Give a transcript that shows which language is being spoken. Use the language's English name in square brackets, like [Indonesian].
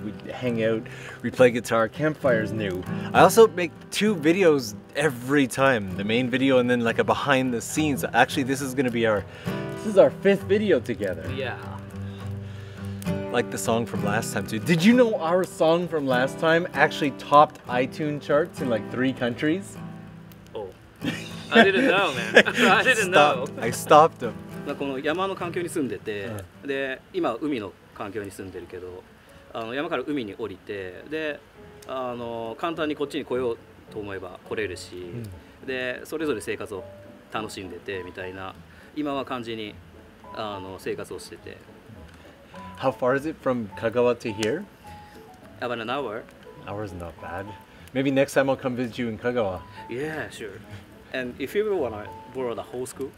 [English] We hang out, we play guitar, campfire's new. I also make two videos every time, the main video and then like a behind the scenes. Actually, this is going to be our fifth video together. Yeah. Like the song from last time too. Did you know our song from last time actually topped iTunes charts in like 3 countries? Oh, I didn't know, man. I stopped them. [Japanese] この山の環境に住んでて、で今海の環境に住んでるけど、あの山から海に降りて、であの簡単にこっちに来ようと思えば来れるし、でそれぞれ生活を楽しんでてみたいな、今は感じにあの生活をしてて。 [English] How far is it from Kagawa to here? About an hour. Hour's not bad. Maybe next time I'll come visit you in Kagawa. Yeah, sure. And if you ever want to borrow the whole school.